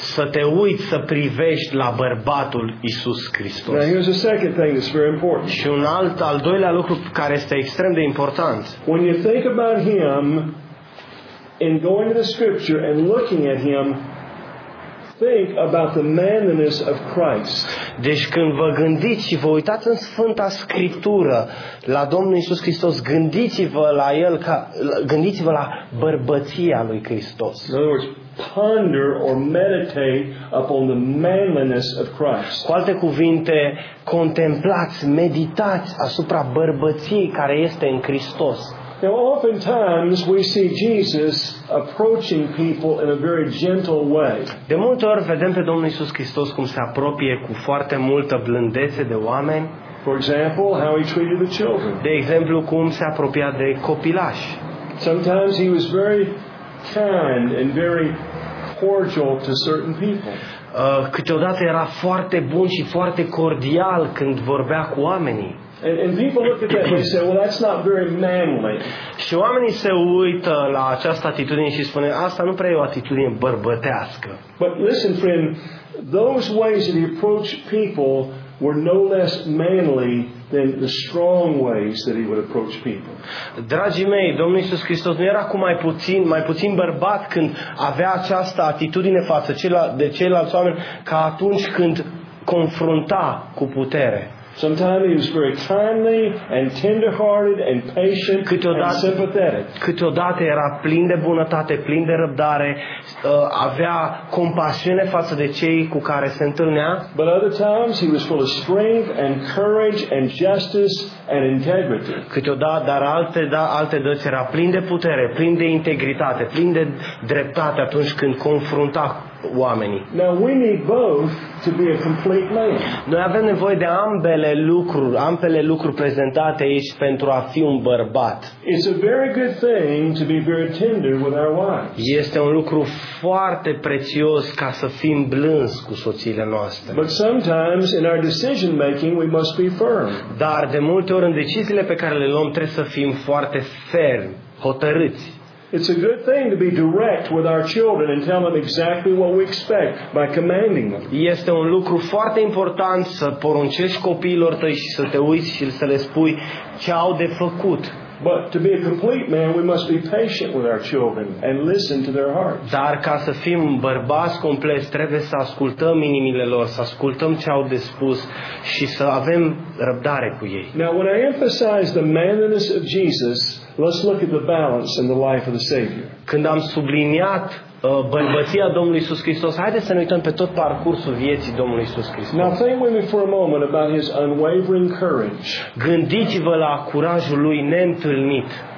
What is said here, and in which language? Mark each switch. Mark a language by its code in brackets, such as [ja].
[ro] Să te uiți să privești la bărbatul Iisus Hristos. [en] Now here's the second thing that's very important. [ro] Și un al doilea lucru care este extrem de important. [en] When you think about him and going to the scripture and looking at him, think about the manliness of Christ. [ro] Deci când vă gândiți și vă uitați în Sfânta Scriptură la Domnul Iisus Hristos, gândiți-vă la el ca gândiți-vă la bărbăția lui Hristos. [en] In other words, ponder or meditate upon the manliness of Christ. [ro] Cu alte cuvinte, contemplați, meditați asupra bărbăției care este în Hristos. [en] Now, oftentimes we see Jesus approaching people in a very gentle way. [ro] De multe ori vedem pe Domnul Iisus Hristos cum se apropie cu foarte multă blândețe de oameni. [en] For example, how he treated the children. [ro] De exemplu, cum se apropia de copilași. [en] Sometimes he was very kind and very cordial to certain people. [ro] Câteodată era foarte bun și foarte cordial când vorbea cu oamenii. [en] And people look at that and say, well, that's not very manly. [ro] Și oamenii se uită la această atitudine și spune, asta nu prea e o atitudine bărbătească. [en] But listen, friend, those ways that he approached people were no less manly than the strong ways that he would approach people. [ro] Dragii mei, Domnul Iisus Hristos nu era cu mai puțin bărbat când avea această atitudine față de ceilalți oameni ca atunci când confrunta cu putere. [en] Sometimes he was very timely and tender-hearted and patient and sympathetic. [ro] Câteodată era plin de bunătate, plin de răbdare, avea compasiune față de cei cu care se întâlnea. [en] But other times he was full of strength and courage and justice and integrity. [ro] Câteodată, dar alte dăți era plin de putere, plin de integritate, plin de dreptate atunci când confrunta oamenii. [en] Now we need both to be a complete man. [ro] Noi avem nevoie de ambele lucruri prezentate aici pentru a fi un bărbat. [en] It's a very good thing to be very tender with our wives. [ro] Este un lucru foarte prețios ca să fim blânzi cu soțiile noastre. [en] But sometimes in our decision making we must be firm. [ro] Dar de multe ori în deciziile pe care le luăm trebuie să fim foarte fermi, hotărâți. [en] It's a good thing to be direct with our children and tell them exactly what we expect by commanding them. [ro] Este un lucru foarte important să poruncești copiilor tăi și să te uiți și să le spui ce au de făcut. [en] But to be a complete man, we must be patient with our children and listen to their hearts. [ro] Dar ca să fim bărbați complet, trebuie să ascultăm inimile lor, să ascultăm ce au de spus și să avem răbdare cu ei. [en] Now, when I emphasize the manliness of Jesus, let's look at the balance in the life of the Savior. [ro] Când am subliniat bărbăția Domnului Iisus Hristos, haideți să ne uităm pe tot parcursul vieții Domnului Iisus Hristos. [en] Now think with me for a moment about his unwavering courage. [ro] Gândiți-vă la curajul lui neîntâlnit.